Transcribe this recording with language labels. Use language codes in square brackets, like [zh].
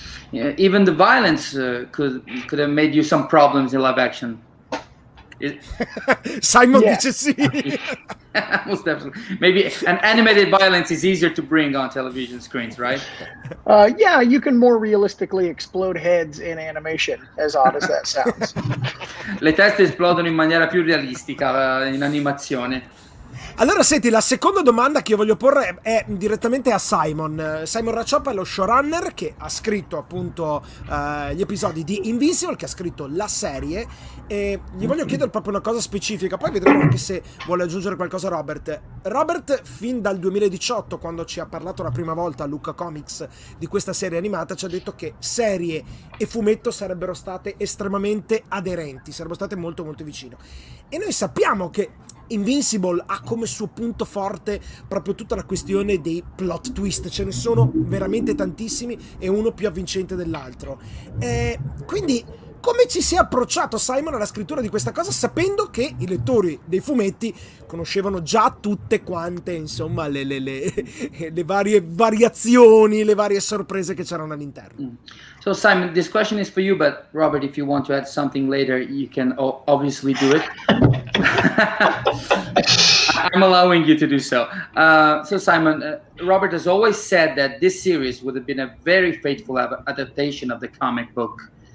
[en] Yeah, even the violence could have made you some problems in live action. [it] Simon dice sì. [en] Most definitely. Maybe an animated violence is easier to bring on television screens, right? Yeah, you can more realistically explode heads in animation, as odd as that sounds. [it] Le teste esplodono in maniera più realistica in animazione. Allora, senti, la seconda domanda che io voglio porre è direttamente a Simon. Simon Raciop è lo showrunner che ha scritto appunto gli episodi di Invincible, che ha scritto la serie, e gli voglio chiedere proprio una cosa specifica, poi vedremo anche se vuole aggiungere qualcosa Robert. Robert, fin dal 2018, quando ci ha parlato la prima volta a Lucca Comics di questa serie animata, ci ha detto che serie e fumetto sarebbero state estremamente aderenti, sarebbero state molto molto vicino. E noi sappiamo che Invincible ha come suo punto forte proprio tutta la questione dei plot twist, ce ne sono veramente tantissimi e uno più avvincente dell'altro. Quindi come ci si è approcciato, Simon, alla scrittura di questa cosa, sapendo che i lettori dei fumetti conoscevano già tutte quante, insomma, le varie variazioni, le varie sorprese che c'erano all'interno? [en] So Simon, this question is for you, but Robert, if you want to add something later, you can obviously do it. I'm allowing you to do so. So Simon, Robert has always said that this series would have been a very faithful adaptation of the comic book.